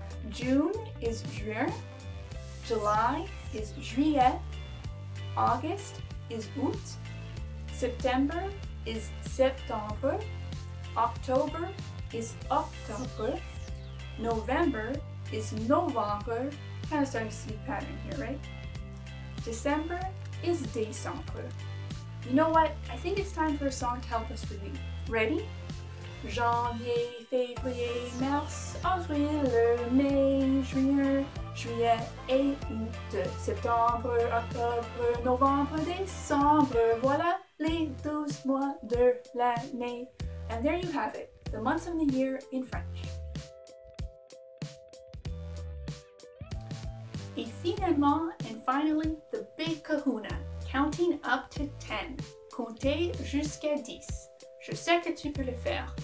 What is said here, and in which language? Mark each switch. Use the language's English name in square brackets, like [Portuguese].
[English] June is juin, July is juillet, August is août, September is septembre, October is octobre, November is novembre, kind of starting to see a pattern here, right? December is décembre. You know what? I think it's time for a song to help us relate. Ready? [French] Janvier, février, mars, avril, mai, juin, juillet et août, septembre, octobre, novembre, décembre. Voilà les 12 mois de l'année. [English] And there you have it, the months of the year in French. [French] Et finalement, [English] and finally, the big kahuna, counting up to 10. [French] Comptez jusqu'à 10. Je sais que tu peux le faire.